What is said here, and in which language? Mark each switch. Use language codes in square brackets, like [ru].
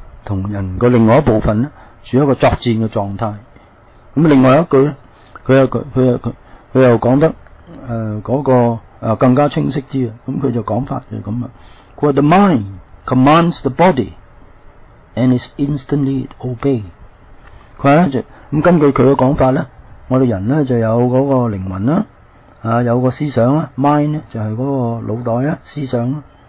[zh] 同人的另外一部分處於一個作戰的狀態。另外一句他又講得更加清晰一點，他就講法就是這樣。 [en] The mind commands the body and is instantly obeyed。 [zh] 根據他的講法，我們人就有那個靈魂，有個思想， mind 就是那個腦袋思想。